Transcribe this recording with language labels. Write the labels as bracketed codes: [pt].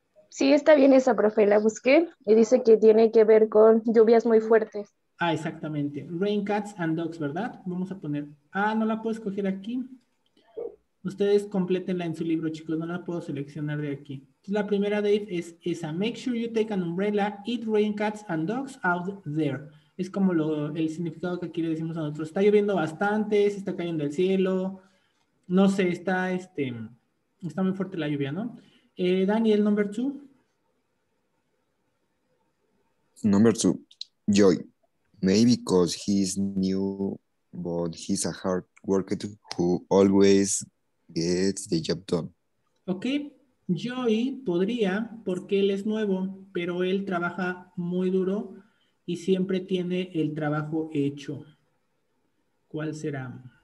[es] Sí, está bien esa, profe. La busqué y dice que tiene que ver con lluvias muy fuertes. Ah, exactamente. Rain, cats and dogs, ¿verdad? Vamos a poner... Ah, no la puedo escoger aquí. Ustedes complétenla en su libro, chicos. No la puedo seleccionar de aquí. [en] La primera, Dave, es a make sure you take an umbrella, it rain cats and dogs out there. [es] Es como el significado que aquí le decimos a nosotros. Está lloviendo bastante, se está cayendo el cielo. No sé, está muy fuerte la lluvia, ¿no? [en] Daniel, number two. Number two. Joy. Maybe because he's new, but he's a hard worker who always gets the job done. Okay. [es] Joy podría, porque él es nuevo, pero él trabaja muy duro y siempre tiene el trabajo hecho. ¿Cuál será?